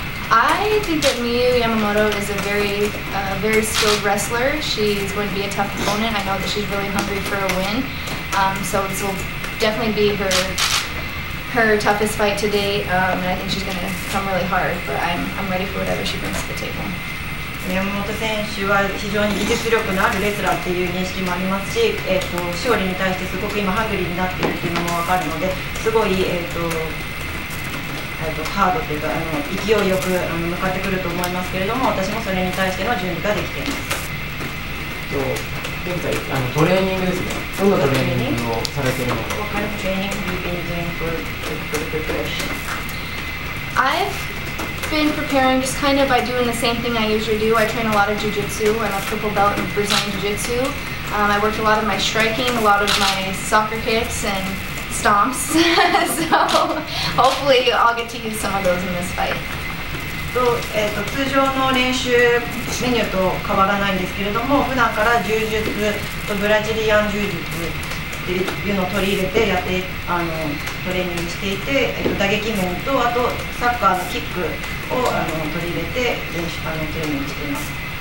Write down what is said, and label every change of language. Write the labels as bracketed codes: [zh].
[en] I think that Miyu Yamamoto is a very skilled wrestler. She's going to be a tough opponent. I know that she's really hungry for a win. So this will definitely be her toughest fight to date. And I think she's going to come really hard. But I'm ready for whatever she brings to the table. [ja] Yamamoto 選手は非常に技術力のあるレスラーっていう認識もありますし、勝利に対してすごく今ハングリーになっているっていうのもわかるので、すごい、ハードというか勢いよく向かってくると思いますけれども、私もそれに対しての準備ができています。現在トレーニングですね。どんなトレーニングをされているのか。 [en] What kind of training have you been doing for preparation? I've been preparing just kind of by doing the same thing I usually do. I train a lot of jiu-jitsu. I'm a triple belt in Brazilian jiu-jitsu. I worked a lot of my striking, a lot of my soccer kicks and. Stomps. So hopefully I'll get to use some of those in this fight. [ja] と通常の練習メニューと変わらないんですけれども、普段から柔術とブラジリアン柔術っていうのを取り入れてやってトレーニングしていて、打撃面とあとサッカーのキックを取り入れて練習トレーニングしています。